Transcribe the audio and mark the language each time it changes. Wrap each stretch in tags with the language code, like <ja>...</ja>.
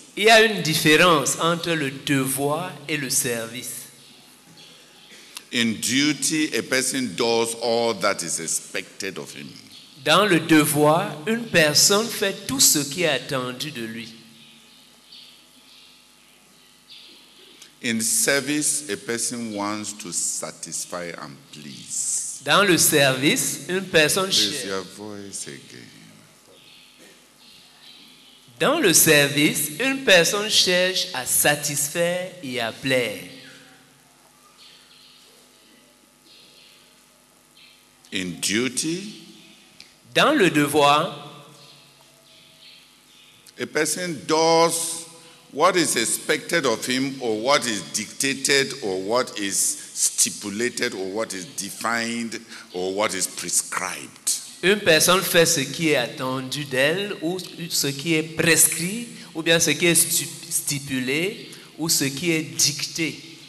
<fr>Il y a une différence entre le devoir et le service.</fr> <en>In duty, a person does all that is expected of him.</en> <fr>Dans le devoir, une personne fait tout ce qui est attendu de lui.</fr> <en>In service, a person wants to satisfy and please.</en> <fr>Dans le service, une personne cherche.</fr> <en>Your voice again.</en> <fr>Dans le service, une personne cherche à satisfaire et à plaire.</fr> <en>In duty,</en> <fr>dans le devoir,</fr> <en>a person does what is expected of him, or what is dictated, or what is stipulated, or what is defined, or what is prescribed.</en> <fr>Une personne fait ce qui est attendu d'elle, ou ce qui est prescrit, ou bien ce qui est stipulé, ou ce qui est dicté.</fr>